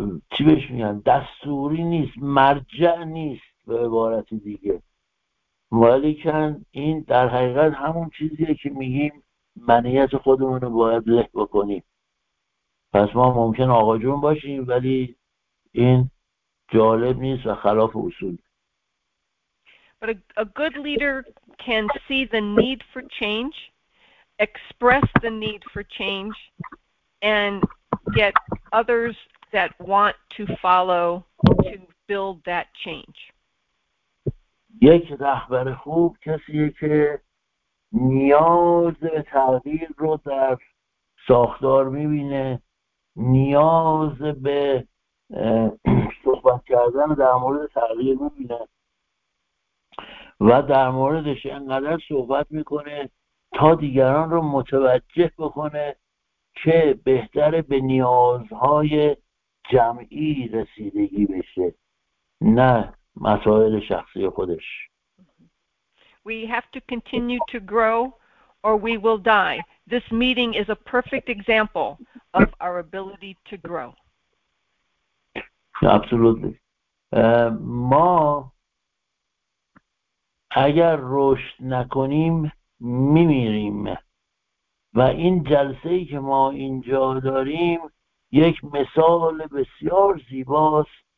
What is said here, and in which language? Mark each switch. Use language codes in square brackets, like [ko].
[fa] چی بهش میگن، دستوری نیست، مرجع نیست به عبارت دیگه، ولیکن این در حقیقت همون چیزیه که میگیم منیت خودمون رو باید له بکنیم. پس ما ممکن آقا جون باشیم ولی این جالب نیست و خلاف اصول. [en] But a good leader can see the need for change, express the need for change, and get others that want to follow to build that change. [fa] یک رهبر خوب کسیه که نیاز به تغییر رو در ساختار میبینه، نیاز به صحبت کردن در مورد تغییر میبینه و در موردش انقدر صحبت میکنه تا دیگران رو متوجه بکنه که بهتره به نیازهای جمعی رسیدگی بشه نه مسائل شخصی خودش. [en] We have to continue to grow or we will die. This meeting is a perfect example of our ability to grow. Absolutely. [fa] ما اگر رشد نکنیم میمیریم و این جلسه‌ای که ما اینجا داریم یک مثال بسیار زیباست